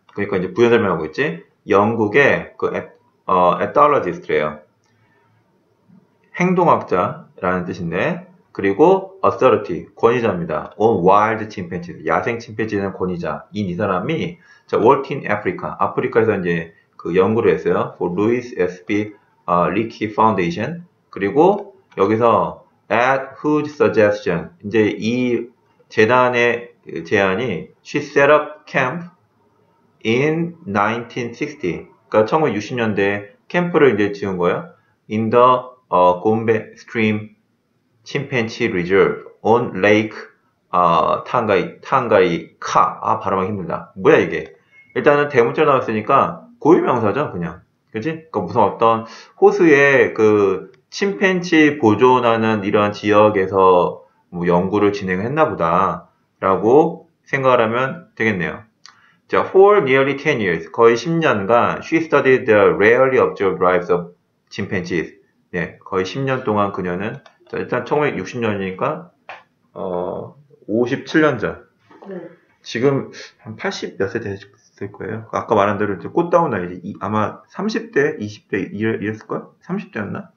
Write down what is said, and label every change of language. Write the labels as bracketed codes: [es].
[ko] 그러니까 이제 부연 설명하고 있지. 영국의 그 에톨로지스트래요. 행동학자 라는 뜻인데, 그리고 authority, 권위자입니다. [en] On wild chimpanzees, [ko] 야생 침팬지는 권위자인 이 사람이, 자, [en] worked in Africa, [ko] 아프리카에서 이제 그 연구를 했어요. [en] For Louis S.B. Leakey Foundation. [ko] 그리고 여기서 [en] at whose suggestion, [ko] 이제 이 재단의 제안이, [en] she set up camp in 1960. [ko] 그러니까 1960년대에 캠프를 이제 지은 거예요. [en] In the Gombe Stream Chimpanzee Reserve on Lake Tanganyika. [ko] 아, 발음하기 힘들다. 뭐야 이게? 일단은 대문자 나왔으니까 고유명사죠, 그냥. 그치? 그 그러니까 무슨 어떤 호수에 그 침팬치 보존하는 이러한 지역에서 뭐 연구를 진행했나 보다라고 생각을 하면 되겠네요. [en] 자, for nearly 10 years, [ko] 거의 10년간 [en] she studied the rarely observed lives of chimpanzees. [ko] 네, 거의 10년 동안 그녀는, 자, 일단 1960년이니까, 57년 전. 지금 한80몇세 됐을 거예요. 아까 말한 대로 이제 꽃다운 나이, 아마 30대, 20대 이랬을걸? 30대였나?